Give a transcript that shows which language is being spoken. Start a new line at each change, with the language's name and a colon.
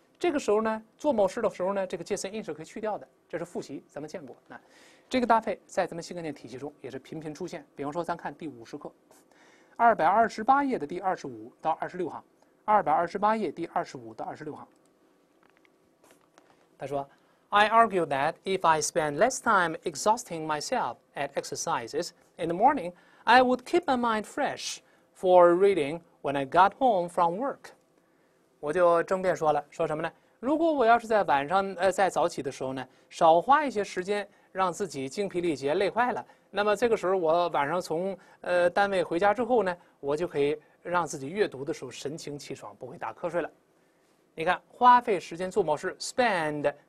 Chinese: 这个时候呢，做某事的时候呢，这个介词 in 是可以去掉的，这是复习咱们见过。那这个搭配在咱们新概念体系中也是频频出现。比方说，咱看第50课，228页的第25到26行，228页第25到26行，他说。
English: I argue that if I spend less time exhausting myself at exercises in the morning, I would keep my mind fresh for reading when I got home from work.
Chinese: 我就争辩说了，说什么呢？如果我要是在晚上，在早起的时候呢，少花一些时间，让自己精疲力竭、累坏了，那么这个时候我晚上从单位回家之后呢，我就可以让自己阅读的时候神清气爽，不会打瞌睡了。你看，花费时间做某事 ，spend。